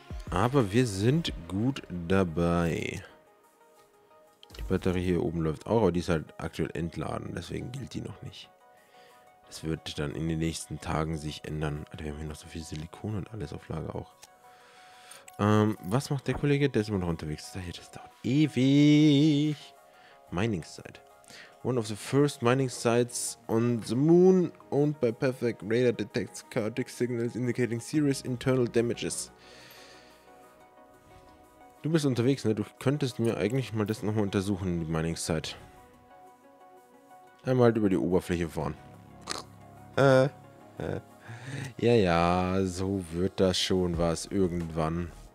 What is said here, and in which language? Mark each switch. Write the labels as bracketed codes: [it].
[de] Aber wir sind gut dabei. Die Batterie hier oben läuft auch, aber die ist halt aktuell entladen. Deswegen gilt die noch nicht. Das wird dann in den nächsten Tagen sich ändern. Alter, wir haben hier noch so viel Silikon und alles auf Lager auch. Was macht der Kollege? Der ist immer noch unterwegs. Da hier, das dauert ewig. Mining Site. [en] One of the first mining sites on the moon, owned by Perfect Radar, detects chaotic signals indicating serious internal damages. [de] Du bist unterwegs, ne? Du könntest mir eigentlich mal das nochmal untersuchen, die Mining Site. Einmal halt über die Oberfläche fahren. Ja, ja, so wird das schon was irgendwann.